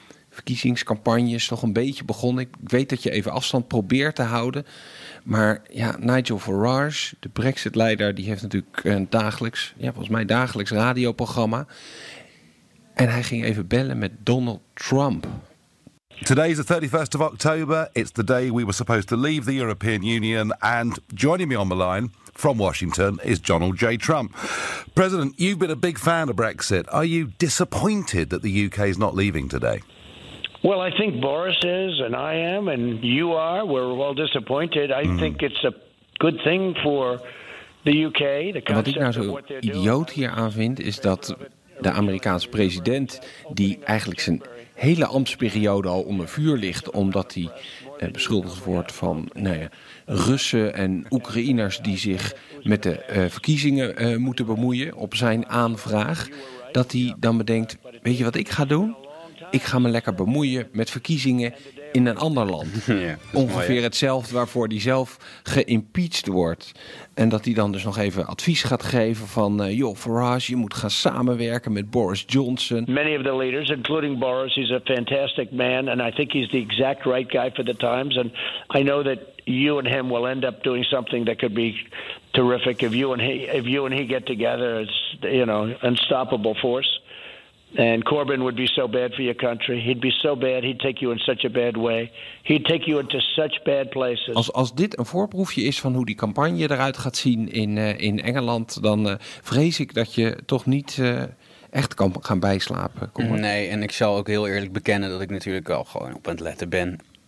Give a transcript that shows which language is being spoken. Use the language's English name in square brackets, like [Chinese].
[Dutch] Verkiezingscampagne is toch een beetje begonnen. Ik weet dat je even afstand probeert te houden. Maar ja, Nigel Farage, de Brexit-leider, die heeft natuurlijk een dagelijks, ja, volgens mij dagelijks radioprogramma. En hij ging even bellen met Donald Trump. [English] Today is the 31st of October. It's the day we were supposed to leave the European Union. And joining me on the line from Washington is Donald J. Trump. President, you've been a big fan of Brexit. Are you disappointed that the UK is not leaving today? Well, I think Boris is, and I am, and you are. We're all disappointed. I think it's a good thing for the UK. [Dutch] Wat ik nou zo idioot hier aan vind, is dat de Amerikaanse president, die eigenlijk zijn hele ambtsperiode al onder vuur ligt, omdat hij beschuldigd wordt van Russen en Oekraïners die zich met de verkiezingen moeten bemoeien op zijn aanvraag, dat hij dan bedenkt, weet je wat ik ga doen? Ik ga me lekker bemoeien met verkiezingen in een ander land. Ja, ongeveer mooi, ja. Hetzelfde waarvoor hij zelf geïmpeached wordt. En dat hij dan dus nog even advies gaat geven van, joh, Farage, je moet gaan samenwerken met Boris Johnson. [English] Many of the leaders, including Boris, he's a fantastic man. And I think he's the exact right guy for the times. And I know that you and him will end up doing something that could be terrific. If you and he get together, it's, you know, unstoppable force. And Corbyn would be so bad for your country. He'd be so bad. He'd take you in such a bad way. He'd take you into such bad places. [Dutch] Als dit een voorproefje is van hoe die campagne eruit gaat zien in Engeland, dan vrees ik dat je toch niet echt kan gaan bijslapen. Nee, en ik zal ook heel eerlijk bekennen dat ik natuurlijk al gewoon op aan het letten ben.